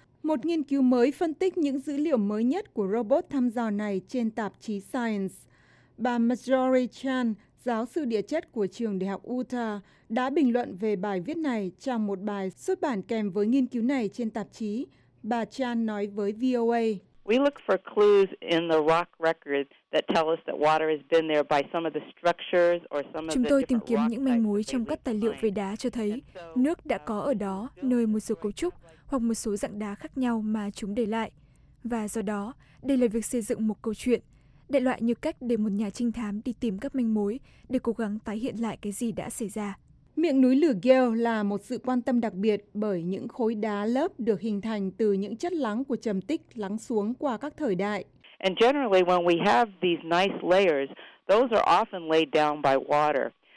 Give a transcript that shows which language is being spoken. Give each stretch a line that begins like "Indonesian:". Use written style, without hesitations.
Vietnamese: Một nghiên cứu mới phân tích những dữ liệu mới nhất của robot thăm dò này trên tạp chí Science. Bà Marjorie Chan, giáo sư địa chất của trường Đại học Utah, đã bình luận về bài viết này trong một bài xuất bản kèm với nghiên cứu này trên tạp chí Bà Chan nói với VOA.
English: We look for clues in the rock record that tell us that water has been there by some of the structures or some of the.
Vietnamese: Chúng tôi tìm kiếm những manh mối trong các tài liệu về đá cho thấy nước đã có ở đó nơi một số cấu trúc hoặc một số dạng đá khác nhau mà chúng để lại. Và do đó, đây là việc xây dựng một câu chuyện, đại loại như cách để một nhà trinh thám đi tìm các manh mối để cố gắng tái hiện lại cái gì đã xảy ra. Miệng núi lửa Gale là một sự quan tâm đặc biệt bởi những khối đá lớp được hình thành từ những chất lắng của trầm tích lắng xuống qua các thời đại.
English: And generally when we have these nice layers, those are often laid down by water.